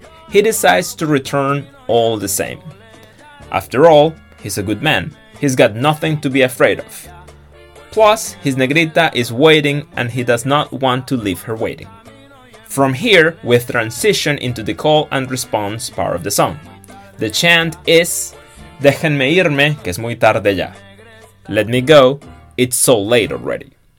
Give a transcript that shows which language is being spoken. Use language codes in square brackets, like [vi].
[en] He decides to return all the same. After all, he's a good man. He's got nothing to be afraid of. Plus, his negrita is waiting and he does not want to leave her waiting. From here, we transition into the call and response part of the song. The chant is, [es] déjenme irme, que es muy tarde ya. [en] Let me go, it's so late already.